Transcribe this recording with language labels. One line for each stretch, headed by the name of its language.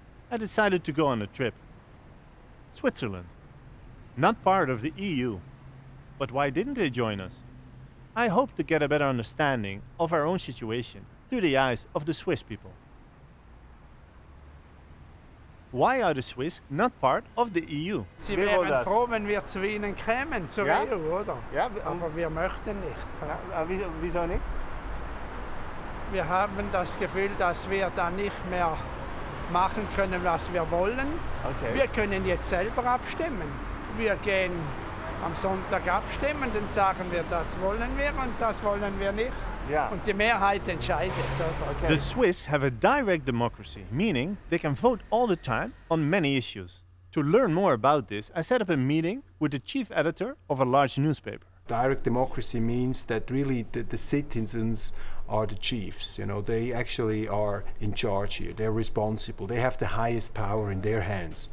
English: I decided to go on a trip. Switzerland. Not part of the EU. But why didn't they join us? I hope to get a better understanding of our own situation through the eyes of the Swiss people. Why are the Swiss not part of the EU?
German: Sie wären froh, wenn wir zu Ihnen kämen, zur ja? EU, oder? Ja, aber wir möchten nicht. Ja, wieso nicht? Wir haben das Gefühl, dass wir da nicht mehr machen können, was wir wollen. Okay. Wir können jetzt selber abstimmen. Wir gehen am Sonntag abstimmen, dann sagen wir, das wollen wir und das wollen wir nicht.
English: Yeah.
German: Und die Mehrheit entscheidet.
English: Okay. The Swiss have a direct democracy, meaning they can vote all the time on many issues. To learn more about this, I set up a meeting with the chief editor of a large newspaper. Direct democracy means that really the citizens are the chiefs, you know, they actually are in charge here, they're responsible, they have the highest power in their hands.